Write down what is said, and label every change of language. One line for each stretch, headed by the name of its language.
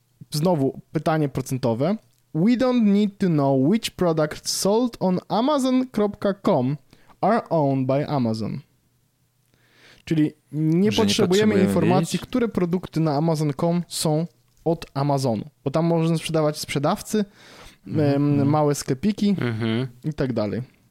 Polish: Znowu pytanie procentowe.
English: We don't need to know which products sold on Amazon.com are owned by Amazon.
Polish: Czyli nie potrzebujemy informacji, wiedzieć. Które produkty na Amazon.com są od Amazonu. Bo tam można sprzedawać sprzedawcy, małe sklepiki i tak dalej.